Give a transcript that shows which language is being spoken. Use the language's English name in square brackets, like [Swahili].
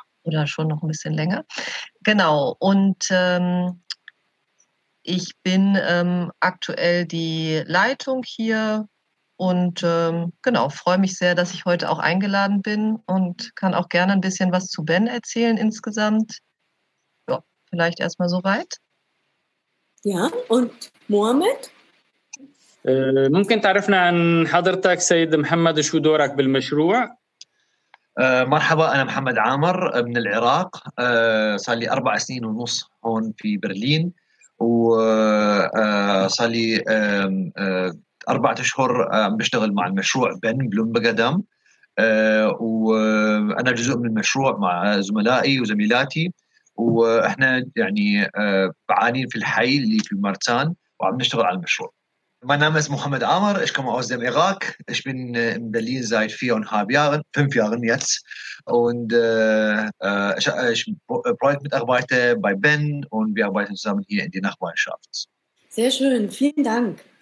[German] Oder schon noch ein bisschen länger. Genau, und ich bin aktuell die Leitung hier und genau, freue mich sehr, dass ich heute auch eingeladen bin und kann auch gerne ein bisschen was zu Ben erzählen insgesamt. Ja, vielleicht erstmal soweit. Ja, und Mohamed? [Arabic] ممكن تعرفنا عن حضرتك سيد محمد شو دورك بالمشروع؟ مرحبا أنا محمد عامر من العراق صار لي 4.5 سنين هون في برلين وصار لي 4 أشهر بشتغل مع المشروع بن بلومبرغر دام وأنا جزء من المشروع مع زملائي وزميلاتي وإحنا يعني بعانين في الحي اللي في مارتان وعم نشتغل على المشروع. [German] Mein Name ist Mohammed Amer, ich komme aus dem Irak. Ich bin in Berlin seit 4.5 Jahren jetzt. Und ich Projektmitarbeiter bei Ben und wir arbeiten zusammen hier in der Nachbarschaft. Sehr schön, vielen Dank.